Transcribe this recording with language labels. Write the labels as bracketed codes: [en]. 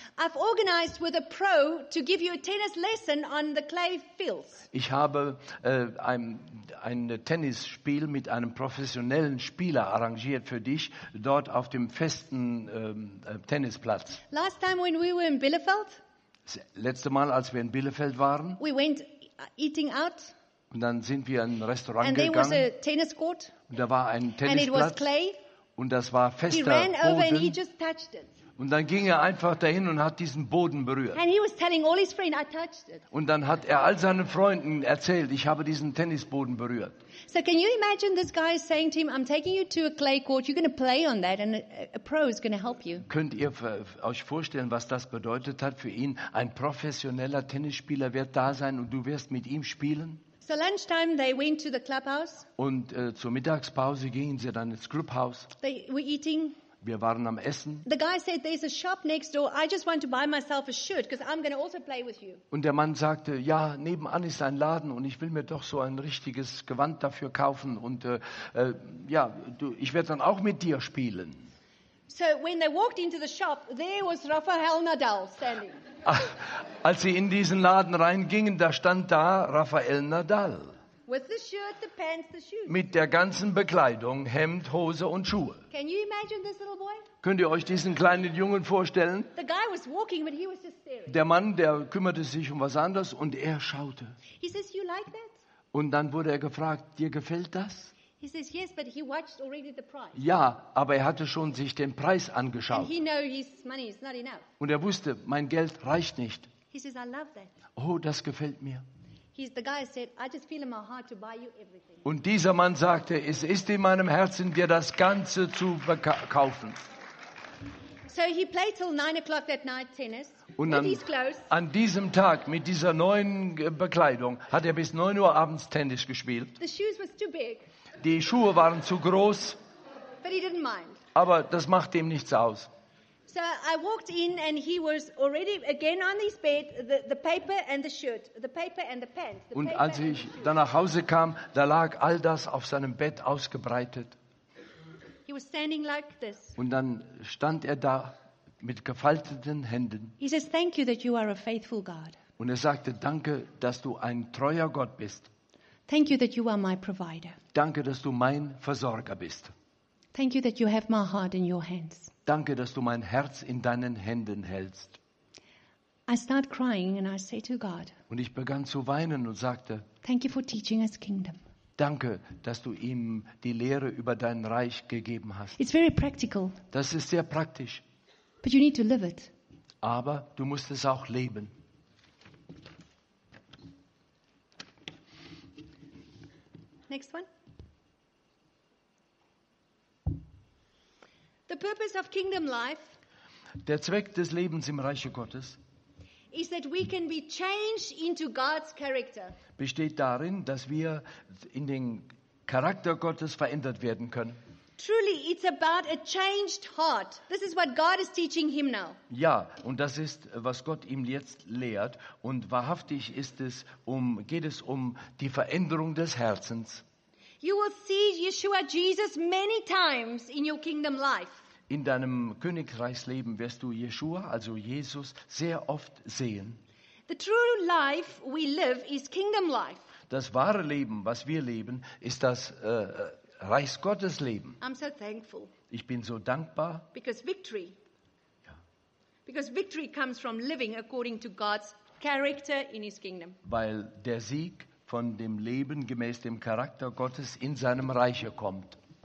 [en] I've organized with a pro to give you a tennis lesson on the clay fields. [de] Ich habe ein Tennisspiel mit einem professionellen Spieler arrangiert für dich dort auf dem festen Tennisplatz. [en] Last time when we were in Bielefeld? [de] Letzte Mal, als wir in Bielefeld waren. [en] We went eating out. [de] Und dann sind wir in ein Restaurant [en] and [de] gegangen. [en] And there was a tennis court. [de] Und da war ein Tennisplatz. [en] And it was clay. [de] Und das war fester [en] he ran over [de] Boden. [en] And he just touched it. [de] Und dann ging er einfach dahin und hat diesen Boden berührt. [en] And he was telling all his friends, I touched it. [de] Und dann hat er all seinen Freunden erzählt, ich habe diesen Tennisboden berührt. [en] So can you imagine this guy saying to him, I'm taking you to a clay court, you're going to play on that and a pro is going to help you. [de] Könnt ihr euch vorstellen, was das bedeutet hat für ihn? Ein professioneller Tennisspieler wird da sein und du wirst mit ihm spielen? [en] So lunchtime they went to the clubhouse. [de] Und zur Mittagspause gingen sie dann ins Clubhaus. [en] They were eating. [de] Wir waren am Essen. [en] The guy said there's a shop next door. I just want to buy myself a shirt because I'm going to also play with you. [de] Und der Mann sagte, ja, nebenan ist ein Laden und ich will mir doch so ein richtiges Gewand dafür kaufen und ich werde dann auch mit dir spielen. [en] So when they walked into the shop, there was Rafael Nadal standing. [de] Als sie in diesen Laden reingingen, da stand da Rafael Nadal. [en] With the shirt, the pants, the shoes. [de] Mit der ganzen Bekleidung, Hemd, Hose und Schuhe. [en] Can you imagine this little boy? [de] Könnt ihr euch diesen kleinen Jungen vorstellen? [en] The guy was walking, but he was just staring. [de] Der Mann, der kümmerte sich um was anderes und er schaute. [en] He says, "You like that?" [de] Und dann wurde er gefragt, dir gefällt das? [en] He says, "Yes, but he watched already the price." [de] Ja, aber er hatte schon sich den Preis angeschaut. [en] And he knew his money is not enough. [de] Und er wusste, mein Geld reicht nicht. [en] He says, "I love that." [de] Oh, das gefällt mir. [en] The guy said, "I just feel in my heart to buy you everything." [de] Und dieser Mann sagte, es ist in meinem Herzen, dir das Ganze zu verkaufen. [en] So he played till 9 o'clock that night tennis. [de] Und an diesem Tag mit dieser neuen Bekleidung hat er bis 9 Uhr abends Tennis gespielt. [en] The shoes was too big. [de] Die Schuhe waren zu groß. [en] But he didn't mind. [de] Aber das macht ihm nichts aus. [en] So I walked in and he was already again on his bed, the paper and the shirt, the paper and the pants. The [de] und als ich dann nach Hause kam, da lag all das auf seinem Bett ausgebreitet. [en] He was standing like this. [de] Und dann stand er da mit gefalteten Händen. [en] He says, "Thank you that you are a faithful God." [de] Und er sagte, danke, dass du ein treuer Gott bist. [en] Thank you that you are my provider. [de] Danke, dass du mein Versorger bist. [en] Thank you that you have my heart in your hands. [de] Danke, dass du mein Herz in deinen Händen hältst. [en] I start crying and I say to God. [de] Und ich begann zu weinen und sagte, [en] "Thank you for teaching us kingdom." [de] Danke, dass du ihm die Lehre über dein Reich gegeben hast. [en] It's very practical. [de] Das ist sehr praktisch. [en] But you need to live it. [de] Aber du musst es auch leben. [en] Next one. The purpose of kingdom life. [de] Der Zweck des Lebens im Reiche Gottes. [en] Is that we can be changed into God's character. [de] Besteht darin, dass wir in den Charakter Gottes verändert werden können. [en] Truly, it's about a changed heart. This is what God is teaching him now. [de] Ja, und das ist, was Gott ihm jetzt lehrt. Und wahrhaftig ist es geht es um die Veränderung des Herzens. [en] You will see Yeshua Jesus many times in your kingdom life. [de] In deinem Königreichsleben wirst du Yeshua, also Jesus, sehr oft sehen. [en] The true life we live is kingdom life. [de] Das wahre Leben, was wir leben, ist das Reichsgottesleben. [en] I'm so thankful. [de] Ich bin so dankbar. [en] Because victory. Because victory comes from living according to God's character in his kingdom. [de] Weil der Sieg von dem Leben gemäß dem Charakter Gottes in seinem Reiche kommt.